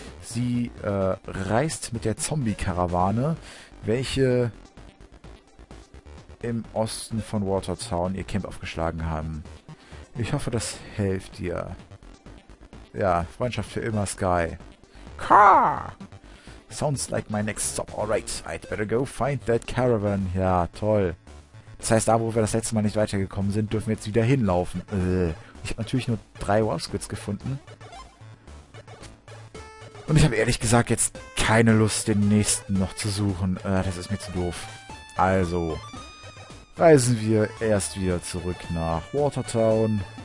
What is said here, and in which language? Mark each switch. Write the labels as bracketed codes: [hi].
[de] Sie reist mit der Zombie-Karawane, welche im Osten von Watertown ihr Camp aufgeschlagen haben. Ich hoffe, das hilft dir. Ja, Freundschaft für immer, Sky. Car! [en] Sounds like my next stop. Alright, I'd better go find that caravan. [de] Ja, toll. Das heißt, da, wo wir das letzte Mal nicht weitergekommen sind, dürfen wir jetzt wieder hinlaufen. Ich habe natürlich nur drei Wolfsquids gefunden. Und ich habe ehrlich gesagt jetzt keine Lust, den nächsten noch zu suchen. Das ist mir zu doof. Also, reisen wir erst wieder zurück nach Watertown.